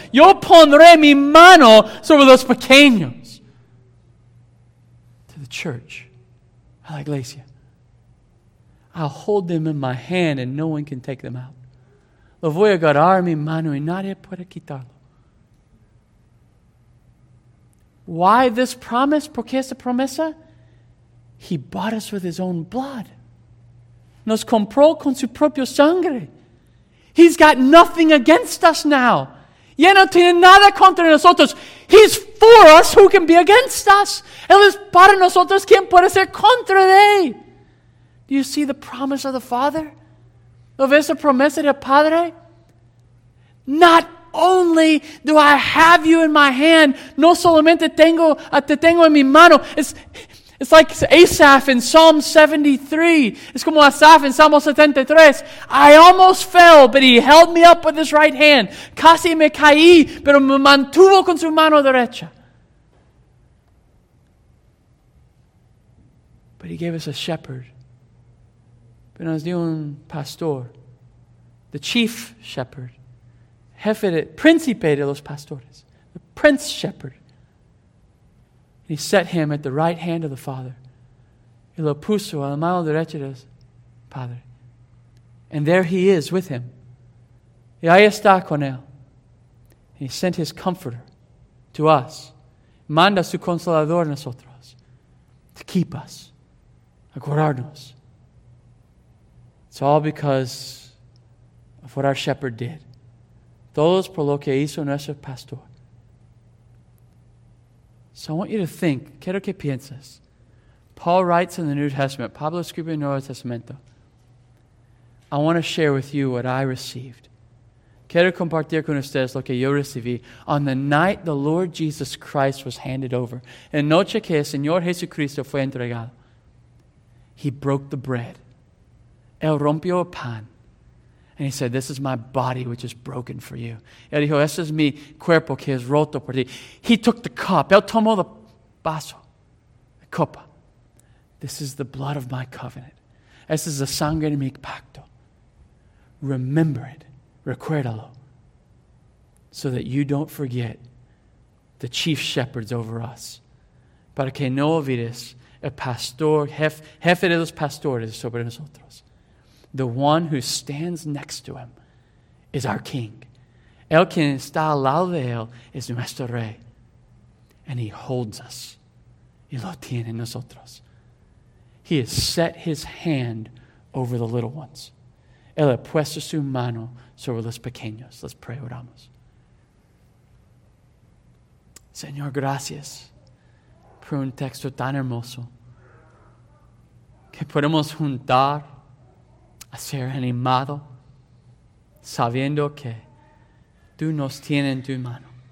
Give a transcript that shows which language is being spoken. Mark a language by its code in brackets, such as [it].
[es] Yo pondré mi mano sobre los pequeños. [en] To the church, [es] a la iglesia. [en] I'll hold them in my hand and no one can take them out. [es] Lo voy a agarrar mi mano y nadie puede quitarlo. [en] Why this promise? [es] ¿Por qué esta promesa? [en] He bought us with His own blood. [es] Nos compró con su propio sangre. [en] He's got nothing against us now. [es] Ya no tiene nada contra nosotros. [en] He's for us. Who can be against us? [es] Él es para nosotros. ¿Quién puede ser contra de? [en] Do you see the promise of the Father? [es] ¿No ves la promesa del Padre? [en] Not only do I have you in my hand, [es] no solamente te tengo en mi mano. [en] It's like Asaph in Psalm 73. It's como Asaph in Psalm 73. I almost fell, but He held me up with His right hand. [es] Casi me caí, pero me mantuvo con su mano derecha. [en] But he gave us a shepherd. [es] Pero nos dio un pastor. [en] The chief shepherd. [es] Jefe de, príncipe de los pastores. [en] The prince shepherd. And he set him at the right hand of the Father. [es] Y lo puso a la mano derecha del Padre. [en] And there he is with him. [es] Y ahí está con él. [en] And he sent his comforter to us. [es] Manda su consolador a nosotros. [en] To keep us. [es] A guardarnos. [en] It's all because of what our shepherd did. [es] Todos por lo que hizo nuestro pastor. [en] So I want you to think. [es] Quiero que pienses. [en] Paul writes in the New Testament. [es] Pablo escribe en el Nuevo Testamento. [en] I want to share with you what I received. [es] Quiero compartir con ustedes lo que yo recibí [en] on the night the Lord Jesus Christ was handed over. [es] En noche que el Señor Jesucristo fue entregado. [en] He broke the bread. [es] Él rompió el pan. [en] And he said, this is my body which is broken for you. [es] Él dijo, este es mi cuerpo que es roto por ti. He took the cup. Él tomó el vaso. La copa. [en] This is the blood of my covenant. [es] Este es la sangre de mi pacto. [en] Remember it. [es] Recuérdalo. [en] So that you don't forget the chief shepherds over us. [es] Para que no olvides el pastor, jefe de los pastores sobre nosotros. [en] The one who stands next to him is our king. [es] El quien está al lado de él es nuestro rey. [en] And he holds us. [es] Y lo tiene nosotros. [en] He has set his hand over the little ones. [es] Él ha puesto su mano sobre los pequeños. [en] Let's pray, [es] oramos. Señor, gracias por un texto tan hermoso que podemos juntar a ser animado sabiendo que tú nos tienes en tu mano.